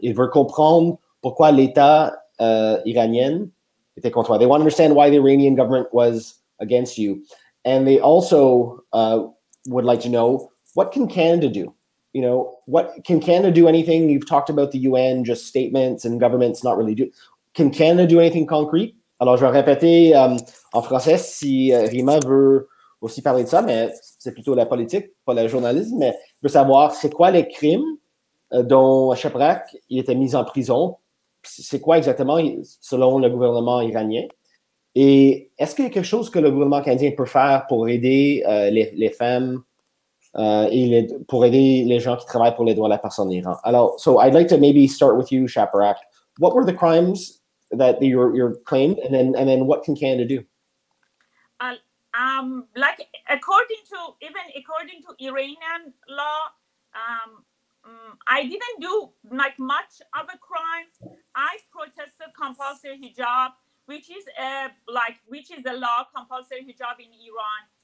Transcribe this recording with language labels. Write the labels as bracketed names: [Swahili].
[French] Il veut comprendre pourquoi l'État iranien était contre toi. [English] They want to understand why the Iranian government was against you. And they also would like to know, what can Canada do? You know, what can Canada do? Anything? You've talked about the UN, just statements and governments not really do. Can Canada do anything concrete? [French] Alors, je vais répéter en français si Rima veut aussi parler de ça, mais c'est plutôt la politique, pas le journalisme. Mais je veux savoir, c'est quoi les crimes dont Shaparak il était mis en prison? C'est quoi exactement selon le gouvernement iranien? Et est-ce qu'il y a quelque chose que le gouvernement canadien peut faire pour aider les femmes pour aider les gens qui travaillent pour les droits de la personne en Iran? [English] Alors, so I'd like to maybe start with you, Shaparak. What were the crimes that you're claimed, and then what can Canada do? Like according to Iranian law, I didn't do like much of a crime. I protested compulsory hijab, which is a law, compulsory hijab in Iran.